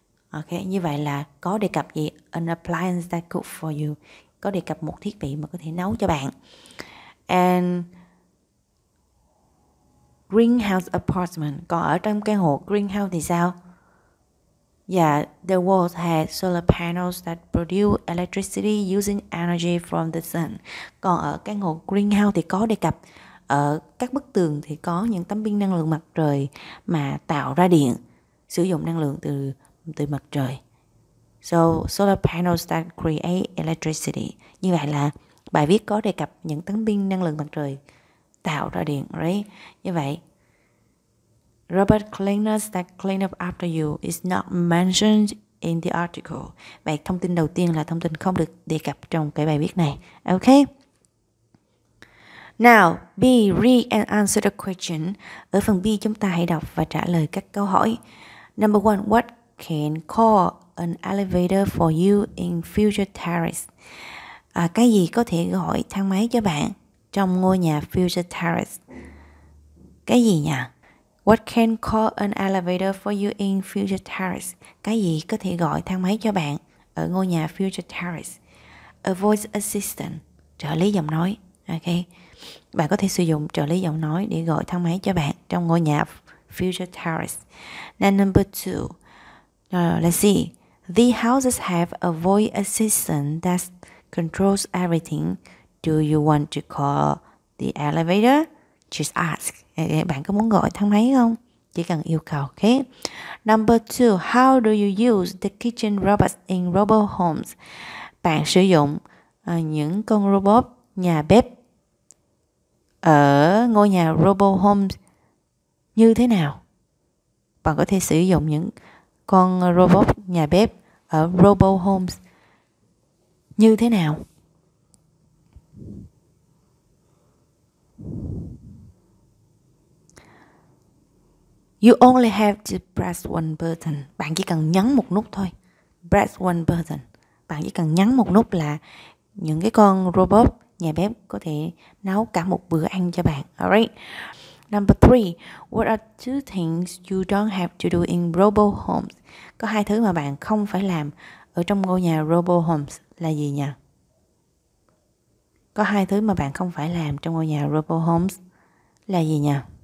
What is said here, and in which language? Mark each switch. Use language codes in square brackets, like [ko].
[vi] Ok, như vậy là có đề cập gì? [en] An appliance that cook for you. [vi] Có đề cập một thiết bị mà có thể nấu cho bạn. [en] And greenhouse apartment. [vi] Còn ở trong căn hộ greenhouse thì sao? [en] Yeah, the walls had solar panels that produce electricity using energy from the sun. [vi] Còn ở căn hộ greenhouse thì có đề cập ở các bức tường thì có những tấm pin năng lượng mặt trời mà tạo ra điện, sử dụng năng lượng từ mặt trời. [en] So solar panels that create electricity. [vi] Như vậy là bài viết có đề cập những tấm pin năng lượng mặt trời tạo ra điện, right? Như vậy, [en] robot cleaners that clean up after you is not mentioned in the article. [vi] Vậy thông tin đầu tiên là thông tin không được đề cập trong cái bài viết này. Okay. [en] Now, B, read and answer the question. [vi] Ở phần B chúng ta hãy đọc và trả lời các câu hỏi. [en] Number one, what can call an elevator for you in future terrace? [vi] Cái gì có thể gọi thang máy cho bạn trong ngôi nhà future terrace? Cái gì nhỉ? [en] What can call an elevator for you in future terrace? [vi] Cái gì có thể gọi thang máy cho bạn ở ngôi nhà future terrace? [en] A voice assistant, [vi] trợ lý giọng nói. [en] Okay. [vi] Bạn có thể sử dụng trợ lý giọng nói để gọi thang máy cho bạn trong ngôi nhà future terrace. [en] Now number two. Let's see. The houses have a voice assistant that controls everything. Do you want to call the elevator? Just ask. [vi] Bạn có muốn gọi thang máy không? Chỉ cần yêu cầu. Okay. [en] Number two, how do you use the kitchen robots in robo homes? [vi] Bạn sử dụng những con robot nhà bếp ở ngôi nhà robo homes như thế nào? Bạn có thể sử dụng những con robot nhà bếp ở robo homes như thế nào? [en] You only have to press one button. [vi] Bạn chỉ cần nhấn một nút thôi. [en] Press one button. [vi] Bạn chỉ cần nhấn một nút là những cái con robot nhà bếp có thể nấu cả một bữa ăn cho bạn. [en] Alright. Number 3. What are two things you don't have to do in robo homes? [vi] Có hai thứ mà bạn không phải làm ở trong ngôi nhà robo homes là gì nhỉ? Có hai thứ mà bạn không phải làm trong ngôi nhà robo homes là gì nhỉ?